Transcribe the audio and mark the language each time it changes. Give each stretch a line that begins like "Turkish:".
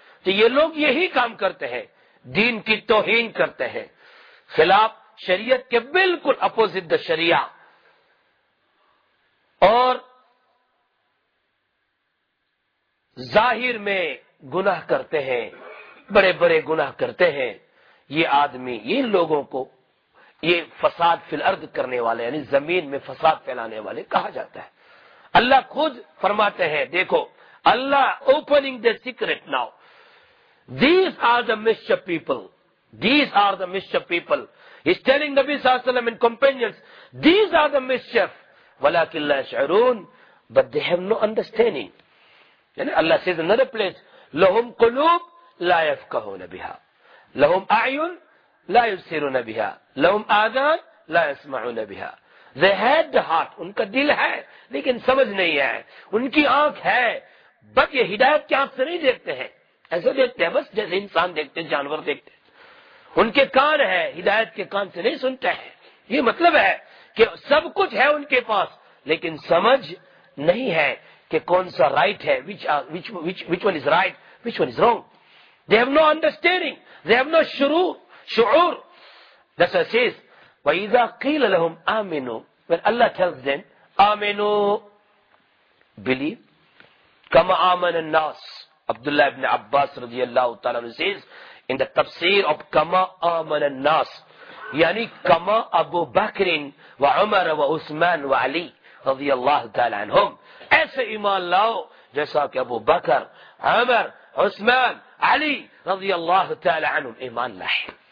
Urdu: تو یہ لوگ یہی کام کرتے ہیں, دین کی توہین کرتے ہیں, خلاف شریعت کے بالکل اپوزٹ شریعہ, اور ظاہر میں گناہ کرتے ہیں, بڑے بڑے گناہ کرتے ہیں. یہ آدمی, یہ لوگوں کو یہ فساد فی الارض کرنے والے, یعنی زمین میں فساد پھیلانے والے کہا جاتا ہے.
English: اللہ خود فرماتے ہیں,
Urdu: دیکھو
English: Allah opening the secret now, these are the mischief people, these are the mischief people, is telling نبی صلی اللہ علیہ وسلم in companions, these are the mischief,
Arabic: ولکن لا یشعرون,
English: But they have no understanding.
Urdu: یعنی
English: Allah says another place,
Arabic: لہم قلوب لا یفقہون بہا, لہم اعین لا یبصرون بہا, لہم آذان لا یسمعون بہا.
English: they had heart,
Urdu: ان کا دل ہے لیکن سمجھ نہیں ہے, ان کی آنکھ ہے بٹ یہ ہدایت کی آنکھ سے نہیں دیکھتے ہیں, ایسے دیکھتے ہیں بس جیسے انسان دیکھتے ہیں, جانور دیکھتے ہیں. ان کے کان ہے ہدایت کے کان سے نہیں سنتے ہیں, یہ مطلب ہے کہ سب کچھ ہے ان کے پاس لیکن سمجھ نہیں ہے کہ کون سا رائٹ ہے,
English: which one is right, which one is wrong. They have no understanding, they have no شعور. That's why it says,
Arabic: وَإِذَا قِيلَ لَهُمْ آمِنُوا,
English: when Allah tells them,
Arabic: آمِنُوا,
English: believe,
Arabic: كَمَا آمَنَ النَّاسِ, Abdullah ibn Abbas رضی اللہ تعالیٰ عنہ
English: says, in the tafsir of
Arabic: كَمَا آمَنَ النَّاسِ, یعنی كَمَا أَبُو بَكْرٍ وَعُمَرَ وَعُثْمَانَ وَعَلِي رضی اللہ تعالیٰ عنہم,
Urdu: ایسے ایمان لاؤ جیسا کہ ابو بکر, عمر, عثمان, علی رضی اللہ تعالی عنہم ایمان لائے.